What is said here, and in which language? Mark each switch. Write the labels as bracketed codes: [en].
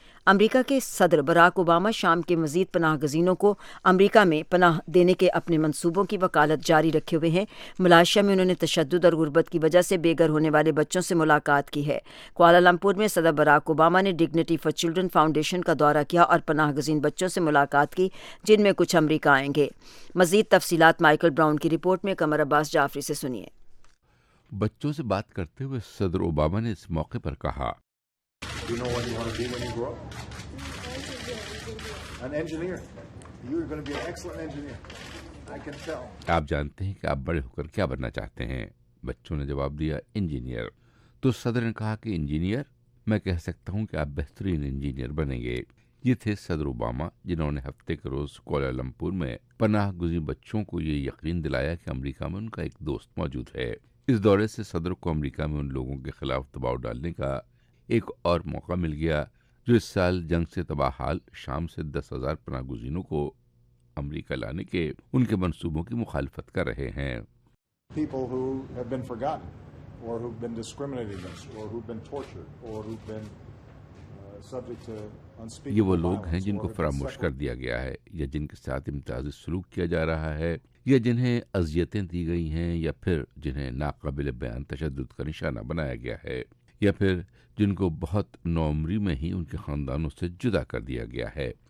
[ur] امریکہ کے صدر Barack Obama شام کے مزید پناہ گزینوں کو امریکہ میں پناہ دینے کے اپنے منصوبوں کی وکالت جاری رکھے ہوئے ہیں۔ ملائیشیا میں انہوں نے تشدد اور غربت کی وجہ سے بے گھر ہونے والے بچوں سے ملاقات کی ہے۔ کوالالمپور میں صدر براک اوباما نے ڈگنیٹی فار چلڈرن فاؤنڈیشن کا دورہ کیا اور پناہ گزین بچوں سے ملاقات کی، جن میں کچھ امریکہ آئیں گے۔ مزید تفصیلات مائیکل براؤن کی رپورٹ میں قمر عباس جعفری سے سنیے۔ بچوں سے بات کرتے ہوئے صدر اوباما نے اس موقع پر کہا، [en] Do you know what you want to be when you grow up? An engineer. You are going to be an excellent engineer. I can tell. [ur] آپ جانتے ہیں کہ آپ بڑے ہو کر کیا بننا چاہتے ہیں۔ بچوں نے جواب دیا انجینئر. تو صدر نے کہا کہ انجینئر میں کہہ سکتا ہوں کہ آپ بہترین انجینئر بنیں گے. یہ تھے صدر اوباما جنہوں نے ہفتے کے روز کوالالمپور میں پناہ گزین بچوں کو یہ یقین دلایا کہ امریکہ میں ان کا ایک دوست موجود ہے. اس دورے سے صدر کو امریکہ میں ان لوگوں کے خلاف دباؤ ڈالنے کا ایک اور موقع مل گیا جو اس سال جنگ سے تباہ حال شام سے 10,000 پناہ گزینوں کو امریکہ لانے کے ان کے منصوبوں کی مخالفت کر رہے ہیں. [en] People who have been forgotten or who've been discriminated against or who've been tortured or who've been subject to [ur] یہ وہ لوگ ہیں جن کو فراموش کر دیا گیا ہے یا جن کے ساتھ امتیازی سلوک کیا جا رہا ہے یا جنہیں اذیتیں دی گئی ہیں یا پھر جنہیں ناقابل بیان تشدد کا نشانہ بنایا گیا ہے یا پھر جن کو بہت نوعمری میں ہی ان کے خاندانوں سے جدا کر دیا گیا ہے.